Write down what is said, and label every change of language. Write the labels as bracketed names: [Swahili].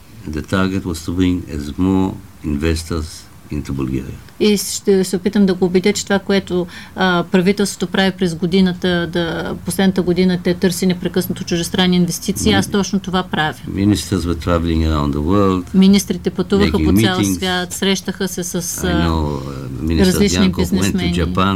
[English] And the target was to bring as more investors into Bulgaria. [Bulgarian] И ще се опитам да го убедя, че това, което правителството прави през годината, да, последната година те търси непрекъснато чуждестранни инвестиции, аз точно това правя. [English] Ministers were traveling around the world. [Bulgarian] Министрите пътуваха по цял свят, срещаха се с различни бизнесмени.